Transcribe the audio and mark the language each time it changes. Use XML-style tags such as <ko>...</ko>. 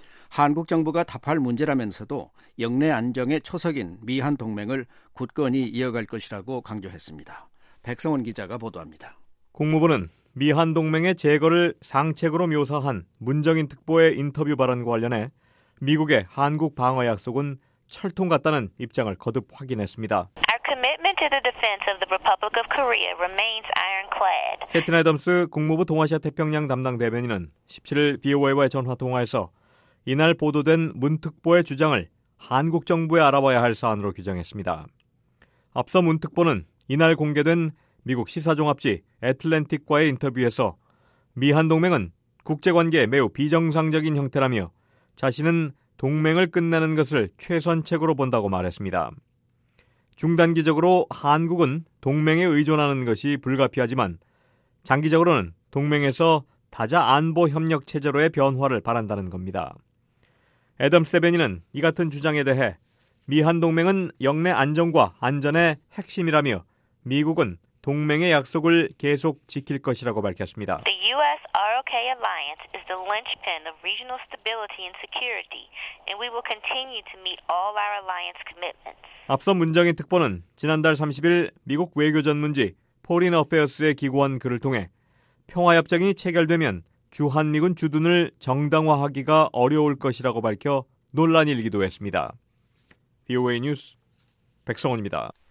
<ko>한국 정부가 답할 문제라면서도 역내 안정의 초석인 미한 동맹을 굳건히 이어갈 것이라고 강조했습니다. 백성원 기자가 보도합니다. 국무부는 미한 동맹의 제거를 상책으로 묘사한 문정인 특보의 인터뷰 발언과 관련해 미국의 한국 방어 약속은 철통 같다는 입장을 거듭 확인했습니다.</ko> <en>Our commitment to the defense of the Republic of Korea remains ironclad.</en> <ko>캐틴 애덤스 국무부 동아시아 태평양 담당 대변인은 17일 BOA와의 전화 통화에서 이날 보도된 문특보의 주장을 한국 정부에 알아봐야 할 사안으로 규정했습니다. 앞서 문특보는 이날 공개된 미국 시사종합지 애틀랜틱과의 인터뷰에서 미한 동맹은 국제관계에 매우 비정상적인 형태라며 자신은 동맹을 끝내는 것을 최선책으로 본다고 말했습니다. 중단기적으로 한국은 동맹에 의존하는 것이 불가피하지만 장기적으로는 동맹에서 다자 안보 협력 체제로의 변화를 바란다는 겁니다. 애덤 세베니는 이 같은 주장에 대해 미한 동맹은 역내 안정과 안전의 핵심이라며 미국은 동맹의 약속을 계속 지킬 것이라고 밝혔습니다.</ko> <en>The US-ROK Alliance is the linchpin of regional stability and security, and we will continue to meet all our alliance commitments.</en> <ko>앞서 문정인 특보는 지난달 30일 미국 외교 전문지 Foreign Affairs에 기고한 글을 통해 평화협정이 체결되면 주한미군 주둔을 정당화하기가 어려울 것이라고 밝혀 논란이 일기도 했습니다. VOA 뉴스 백성원입니다.</ko>